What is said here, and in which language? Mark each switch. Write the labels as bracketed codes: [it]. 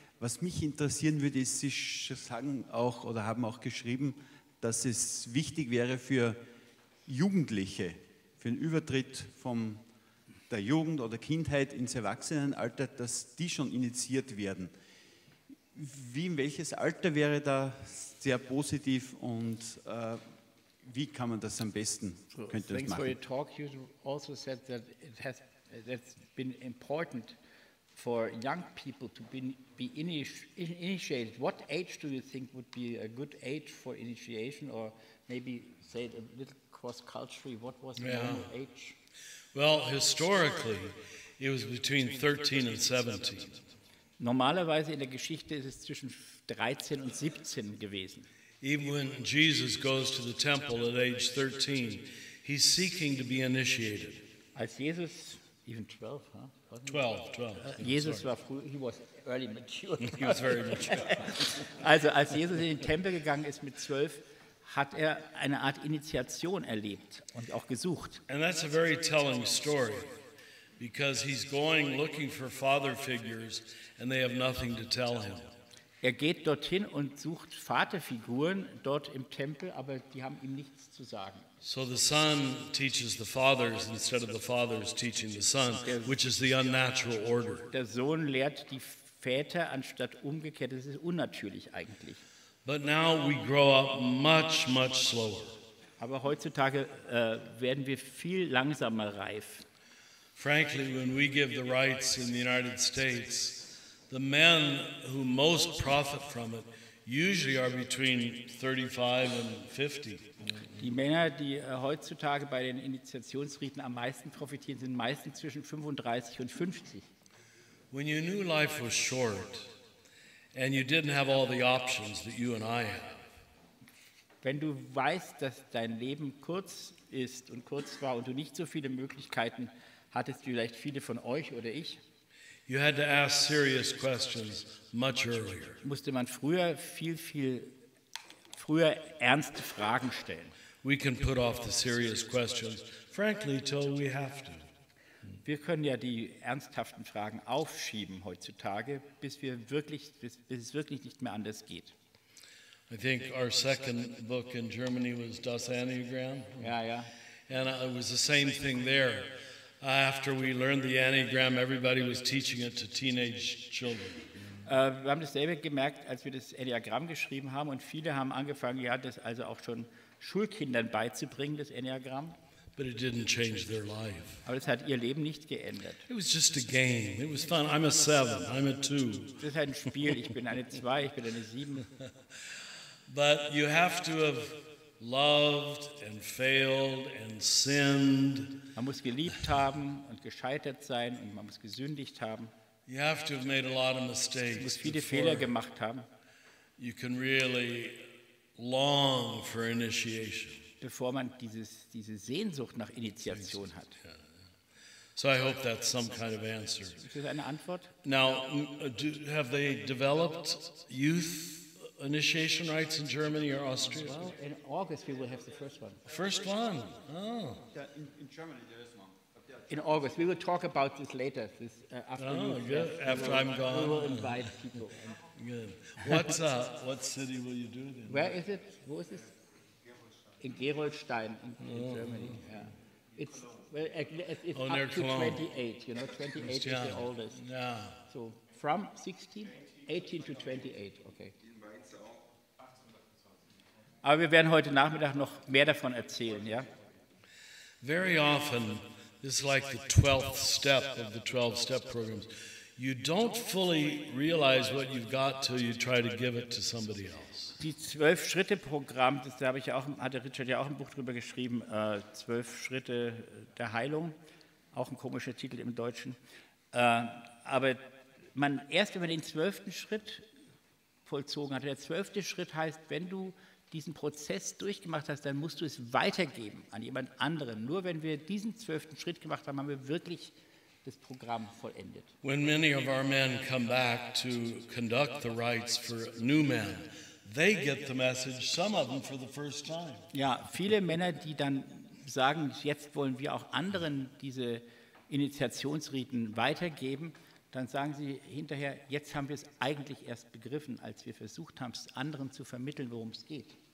[de] Was mich interessieren würde, ist, Sie sagen auch oder haben auch geschrieben, dass es wichtig wäre für Jugendliche, für den Übertritt von der Jugend oder Kindheit ins Erwachsenenalter, dass die schon initiiert werden. Wie, in welches Alter wäre da sehr positiv und wie kann man das am besten, könnte das machen? [en] Thanks for your talk. You also said that it has that's been important for young people to be initiated. What age do you think would be a good age for initiation, or maybe say it a little cross-culturally, what was the normal age? Well, historically, it was between 13 and 17. [de] Normalerweise in der Geschichte ist es zwischen 13 und 17 gewesen. [en] Even when Jesus goes to the temple at age 13, he's seeking to be initiated. [de] Als Jesus, [en] even 12, huh? 12. [de] Jesus war früh, [en] he was early mature. He was very mature. [de] Also als Jesus in den Tempel gegangen ist mit 12, hat er eine Art Initiation erlebt und auch gesucht. [en] And that's a very telling story. Because he's going looking for father figures and they have nothing to tell him. [de] Er geht dorthin und sucht Vaterfiguren dort im Tempel, aber die haben ihm nichts zu sagen. [en] So the son teaches the fathers instead of the fathers teaching the son, which is the unnatural order. [de] Der Sohn lehrt die Väter anstatt umgekehrt, das ist unnatürlich eigentlich. [en] But now we grow up much, much slower. [de] Aber heutzutage werden wir viel langsamer reif. [en] Frankly, when we give the rights in the United States, the men who most profit from it usually are between 35 and 50. [de] Die Männer, die heutzutage bei den Initiationsriten am meisten profitieren, sind meistens zwischen 35 und 50. [en] When you knew life was short and you didn't have all the options that you and I have. [de] Wenn du weißt, dass dein Leben kurz ist und kurz war und du nicht so viele Möglichkeiten hattest du vielleicht viele von euch oder ich? [en] You had to ask serious questions much earlier. [de] Musste man früher viel, viel früher ernste Fragen stellen. [en] We can put off the serious questions, frankly, till we have to. [de] Wir können ja die ernsthaften Fragen aufschieben heutzutage, bis es wirklich nicht mehr anders geht. [en] I think our second book in Germany was Das Anagramm. [de] Ja. [en] And it was the same thing there. After we learned the anagram, everybody was teaching it to teenage children. [de] Wir haben dasselbe gemerkt, als wir das Enneagramm geschrieben haben, und viele haben angefangen, ja, das also auch schon Schulkindern beizubringen, das Enneagramm. [en] But it didn't change their life. [de] Aber es hat ihr Leben nicht geändert. [en] It was just a game. It was fun. I'm a 7. I'm a 2. [de] Das ist ein Spiel. Ich bin eine 2. Ich bin eine 7. [en] But you have to have loved and failed and sinned. [de] Man muss geliebt haben und gescheitert sein und man muss gesündigt haben. [en] You have to have made a lot of mistakes. [de] Muss viele Fehler gemacht haben. [en] You can really long for initiation. [de] Bevor man diese Sehnsucht nach Initiation hat. [en] So I hope that's some kind of answer. [de] Ist das eine Antwort? [en] Now, have they developed youth initiation rites in Germany or Austria? Well, in August we will have the first one. First one? Oh. In Germany there is one. In August. We will talk about this later, this afternoon. Oh, good. Yeah. After I'm gone. We will invite people. Good. What city will you do it in? Where is it? Who is this? In Gerolstein in Germany. Yeah. It's well, it's oh, up near to Cologne. 28, you know, 28 is the oldest. Yeah. So from 16, 18 to 28, okay. [de] Aber wir werden heute Nachmittag noch mehr davon erzählen, ja? [en] Very often, this is like the 12th step of the 12 step programs. You don't fully realize what you've got till you try to give it to somebody else. [de] Die 12 Schritte Programm, das habe ich ja auch, hatte Richard ja auch ein Buch drüber geschrieben, 12 Schritte der Heilung, auch ein komischer Titel im Deutschen. Aber man erst über den 12. Schritt vollzogen hat. Der 12. Schritt heißt, wenn du diesen Prozess durchgemacht hast, dann musst du es weitergeben an jemand anderen. Nur wenn wir diesen 12. Schritt gemacht haben, haben wir wirklich das Programm vollendet. [en] When many of our men come back to conduct the rites for new men, they get the message, some of them for the first time. [de] Ja, viele Männer, die dann sagen, jetzt wollen wir auch anderen diese Initiationsriten weitergeben, dann sagen sie hinterher, jetzt haben wir es eigentlich erst begriffen, als wir versucht haben, es anderen zu vermitteln, worum es geht.